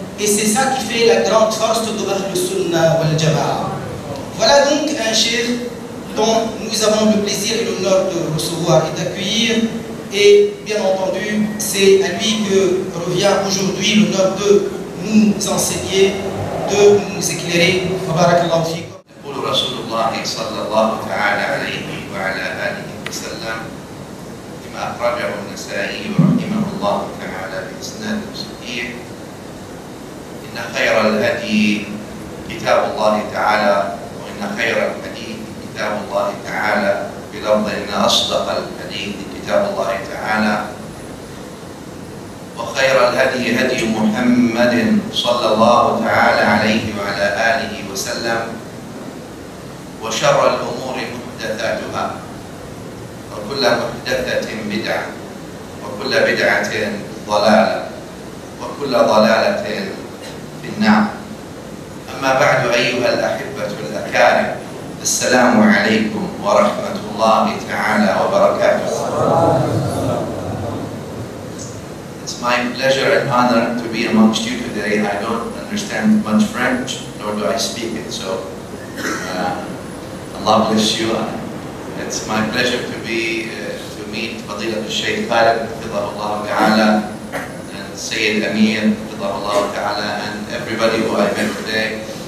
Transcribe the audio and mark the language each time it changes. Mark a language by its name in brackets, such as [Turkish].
[French] Et c'est ça qui fait la grande force de l'Ahl-Sunnah wal-Jama'ah. Voilà donc un cheikh dont nous avons le plaisir et l'honneur de recevoir et d'accueillir. Et bien entendu, c'est à lui que revient aujourd'hui l'honneur de nous enseigner, de nous éclairer. Barakallahu fikum. Pour le [Arabic] Rasulullah sallallahu ta'ala alayhi wa ala alihi wa sallam, أخرج النسائي رحمه الله تعالى بإسناد صحيح إنه خير الهدي كتاب الله تعالى وإن خير الحديث كتاب الله تعالى بلفظ إن أصدق الحديث كتاب الله تعالى وخير الهدي هدي محمد صلى الله تعالى عليه وعلى آله وسلم وشر الأمور محدثاتها وكل محدثة بدعة وكل بدعة ضلالة وكل ضلالة في النار أما بعد أيها الأحبة الأكارم السلام عليكم ورحمة الله تعالى وبركاته [English] It's my pleasure and honor to be amongst you today. I don't understand much French, nor do I speak it, so Allah bless you. It's my pleasure to be to meet Madina the Shaykh HafithahuAllah ta'ala and Sayyid Amir HafithahuAllah ta'ala and everybody who I met today.